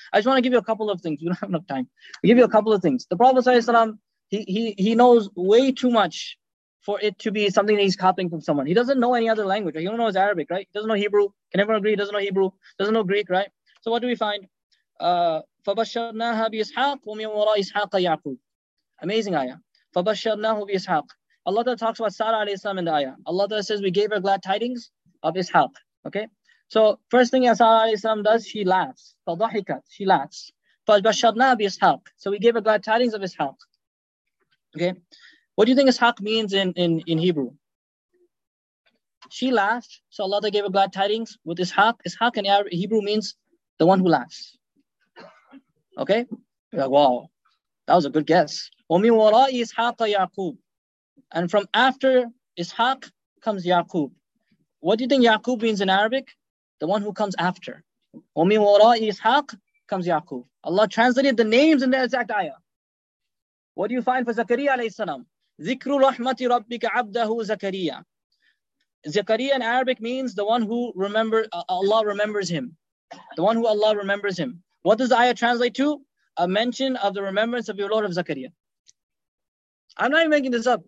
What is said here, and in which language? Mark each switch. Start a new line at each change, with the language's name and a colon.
English: I just want to give you a couple of things. We don't have enough time. I'll give you a couple of things. The Prophet alayhi salam, he knows way too much for it to be something that he's copying from someone. He doesn't know any other language. Right? He only knows Arabic, right? He doesn't know Hebrew. Can everyone agree? He doesn't know Hebrew. Doesn't know Greek, right? So what do we find?
Arabic: فبشرناها بإسحاق ومن وراء إسحاق يعقوب.
English: Amazing ayah.
Arabic: فبشرناه بإسحاق.
English: Allah talks about Sarah alayhi salam in the ayah. Allah says we gave her glad tidings of Ishaq. Okay. So first thing Sarah alayhi salam does, she laughs.
Arabic: فضحكت.
English: She laughs.
Arabic: فبشرناها بإسحاق.
English: So we gave her glad tidings of Ishaq. Okay. What do you think Ishaq means in Hebrew? She laughed, so Allah gave her glad tidings with Ishaq. Ishaq in Hebrew means the one who laughs. Okay? You're like, wow, that was a good guess.
Arabic: وَمِن وَرَاءِ إِسْحَاقَ يَعْقُوبُ.
English: And from after Ishaq comes Yaqub. What do you think Yaqub means in Arabic? The one who comes after.
Arabic: وَمِن وَرَاءِ إِسْحَاق
English: comes Yaqub. Allah translated the names in the exact ayah. What do you find for Zakariya alayhi salam?
Arabic: ذِكْرُ رَحْمَةِ رَبِّكَ عَبْدَهُ زَكَرِيَا.
English: Zakariya in Arabic means the one who remembers, Allah remembers him. The one who Allah remembers him. What does the ayah translate to? A mention of the remembrance of your Lord of Zakariya. I'm not even making this up.